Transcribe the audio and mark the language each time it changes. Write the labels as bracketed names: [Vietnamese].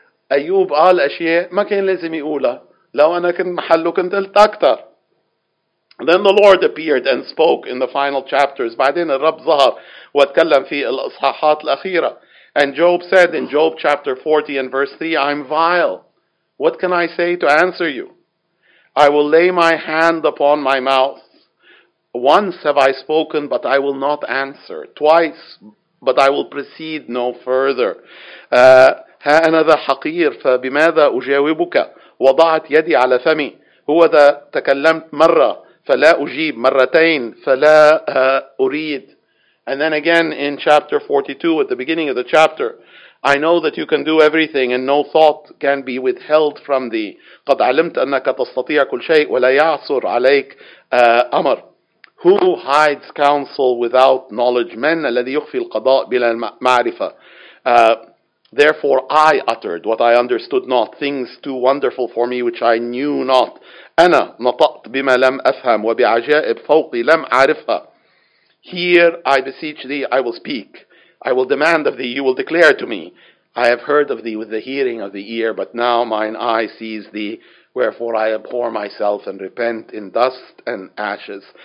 [Arabic] أيوب قال أشياء ما كان لازم يقولها. لو أنا كنت محله كنت قلت أكثر. [English] Then the Lord appeared and spoke in the final chapters. [Arabic] بعدين الرب ظهر واتكلم في الإصحاحات الأخيرة. [English] And Job said in Job chapter 40 and verse 3, I'm vile. What can I say to answer you? I will lay my hand upon my mouth. Once have I spoken, but I will not answer. Twice, but I will proceed no further. [Arabic] ها أنا ذا حقير فبماذا أجاوبك؟ وضعت يدي على فمي. هو ذا تكلمت مرة. فلا أجيب مرتين فلا أريد. [English] And then again in chapter 42 at the beginning of the chapter, I know that you can do everything and no thought can be withheld from thee. [Arabic] قد علمت أنك تستطيع كل شيء ولا يعصر عليك أمر. [English] Who hides counsel without knowledge? [Arabic] من الذي يخفي القضاء بلا معرفة. [English] Therefore I uttered what I understood not, things too wonderful for me which I knew not. [Arabic] أنا نطقت بما لم أفهم وبعجائب فوقي لم أعرفها. [English] Here I beseech thee, I will speak. I will demand of thee, you will declare to me. I have heard of thee with the hearing of the ear, but now mine eye sees thee. Wherefore I abhor myself and repent in dust and ashes.